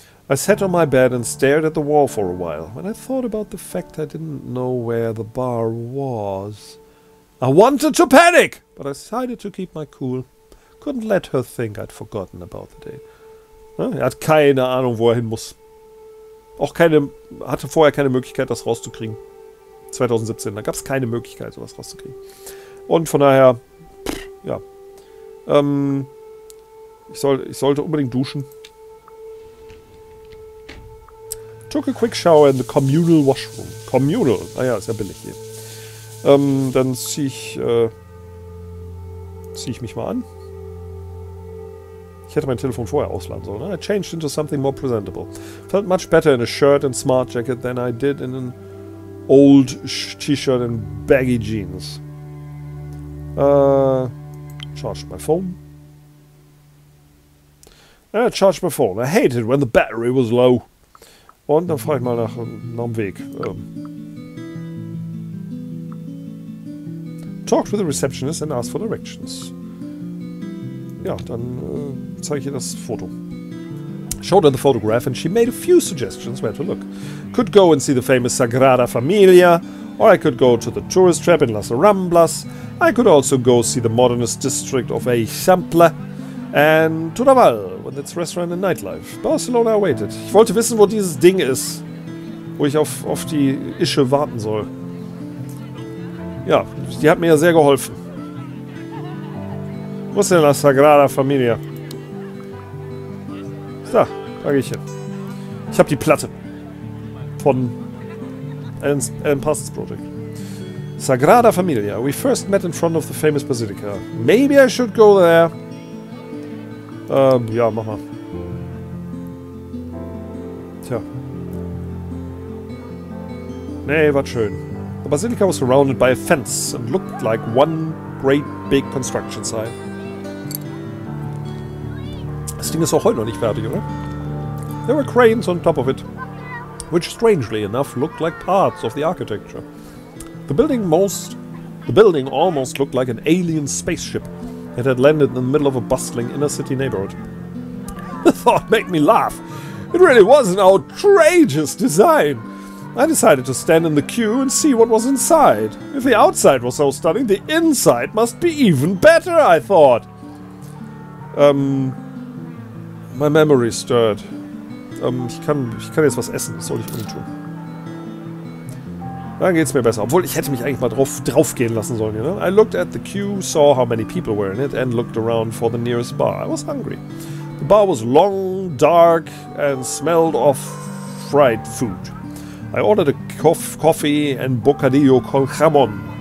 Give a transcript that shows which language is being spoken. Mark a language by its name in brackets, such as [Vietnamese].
[English] I sat on my bed and stared at the wall for a while. When I thought about the fact I didn't know where the bar was, I wanted to panic, but I decided to keep my cool. Couldn't let her think I'd forgotten about the day. [German] Er hat keine Ahnung, wo er hin muss. Auch keine, hatte vorher keine Möglichkeit, das rauszukriegen. 2017, da gab es keine Möglichkeit, sowas rauszukriegen. Und von daher, ja. Ich sollte unbedingt duschen. [English] Took a quick shower in the communal washroom. [German] Communal, ah ja, ist ja billig hier. Dann zieh ich mich mal an. Ich hätte mein Telefon vorher ausladen sollen. [English] I changed into something more presentable. Felt much better in a shirt and smart jacket than I did in an old T-shirt and baggy jeans. Charged my phone. And I charged my phone. I hated when the battery was low. [German] Und dann frage ich mal nach dem Weg. [English] Talked with the receptionist and asked for directions. [German] Ja, dann zeige ich ihr das Foto. [English] Showed her the photograph and she made a few suggestions where to look. Could go and see the famous Sagrada Familia, or I could go to the tourist trap in Las Ramblas. I could also go see the modernist district of Eixample. And to Raval, with its restaurant and nightlife. Barcelona awaited. [German] Ich wollte wissen, wo dieses Ding ist, wo ich auf die Ische warten soll. Ja, die hat mir ja sehr geholfen. Wo ist denn La Sagrada Familia? Da gehe ich hin. Ich habe die Platte von Alan Parsons Project. Sagrada Familia. [English] We first met in front of the famous Basilica. Maybe I should go there. [German] Ja, mach mal. Tja. Nee, war schön. [English] The Basilica was surrounded by a fence and looked like one great big construction site. [German] Das Ding ist auch heute noch nicht fertig, oder? [English] There were cranes on top of it, which strangely enough looked like parts of the architecture. The building almost looked like an alien spaceship. It had landed in the middle of a bustling inner city neighborhood. The thought made me laugh. It really was an outrageous design. I decided to stand in the queue and see what was inside. If the outside was so stunning, the inside must be even better, I thought. My memory stirred. [German] Ich kann jetzt was essen, das soll ich nicht tun. Dann geht's mir besser. Obwohl, ich hätte mich eigentlich mal drauf gehen lassen sollen, [English] you know? I looked at the queue, saw how many people were in it, and looked around for the nearest bar. I was hungry. The bar was long, dark, and smelled of fried food. I ordered a coffee and bocadillo con jamón.